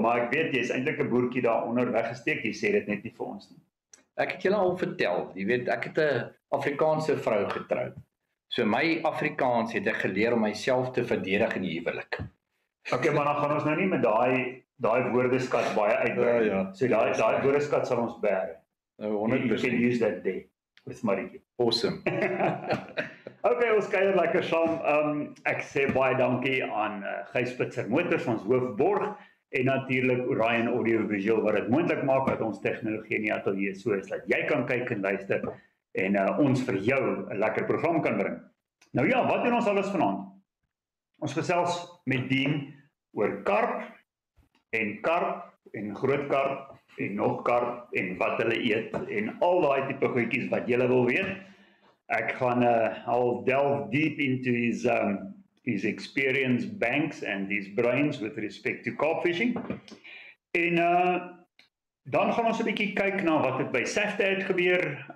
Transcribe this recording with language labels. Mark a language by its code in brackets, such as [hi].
[af] Maar ek weet jy is eintlik 'n boertjie daaronder weggesteek. Jy sê dit net nie vir ons nie. Ek het julle al vertel. Jy weet, ek het 'n Afrikaanse vrou getroud. So my Afrikaans het ek geleer om myself te verdedig in die huwelik. Ok, maar dan gaan ons nou nie met daai woordeskat baie uitbrei. Ja. So daai woordeskat sal ons bær. 100%. [en] You can use that day with Marieke. Awesome. [af] Ok, ons kuier lekker saam. Ek sê baie dankie aan Gys Spitzer Motors, ons hoofborg, en natuurlik Orion Audiovisual wat dit moontlik maak dat ons tegnologie in die ateljee so is dat jy kan kyk en luister. En ons vir jou 'n lekker program kan bring. Nou ja, wat doen ons alles vanaand? Ons gesels met Dien oor karp en groot karp en nog karp en wat hulle eet en al daai tipe goedjies wat jy wil weet. Ek gaan al [en] delve deep into his experience banks and his brains with respect to carp fishing. [af] En dan gaan ons 'n bietjie kyk na wat het by Safta het gebeur.